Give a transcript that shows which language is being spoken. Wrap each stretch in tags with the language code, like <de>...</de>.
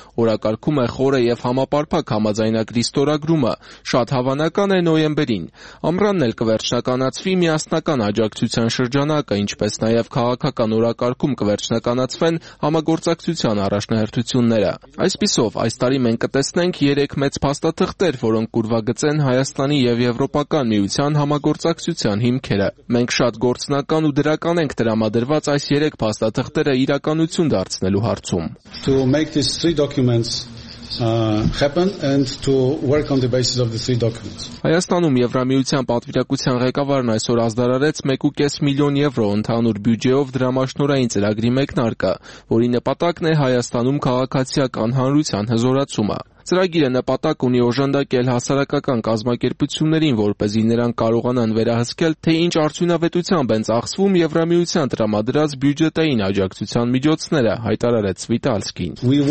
<hy>Օրակարգում է խորը և համապարփակ համաձայնագրի ստորագրումը, շատ հավանական է նոյեմբերին։ Ամռանն էլ կվերջնականացվի միասնական աջակցության շրջանակը, ինչպես նաև քաղաքական օրակարգում կվերջնականացվեն համագործակցության առաջնահերթությունները։ Այսպիսով, այս տարի մենք կտեսնենք 3 մեծ փաստաթղթեր, որոնք կուրվագծեն Հայաստանի և Եվրոպական միության համագործակցության հիմքերը։ Մենք շատ գործնական ու դրական ենք տրամադրված այս 3 փաստաթղթերը իրականություն դարձնելու հարցում։</hy> <en>To make these three documents happen and to work on the basis of the three documents.</en> <hy>Հայաստանում Եվրամիության պատվիրակության ղեկավարն այսօր ազդարարեց 1.5 միլիոն եվրո ընդհանուր բյուջեով դրամաշնորային ծրագրի մեկնարկը, որի նպատակն է Հայաստանում քաղաքացիական հանրության հզորացումը։ Ծրագիրը նպատակ ունի օժանդակել հասարակական կազմակերպություններին, որպեսզի նրանք կարողանան վերահսկել, թե ինչ արդյունավետությամբ են ծախսվում Եվրամիության տրամադրած բյուջետային աջակցության միջոցները, հայտարարեց Վիտալսկին։</hy>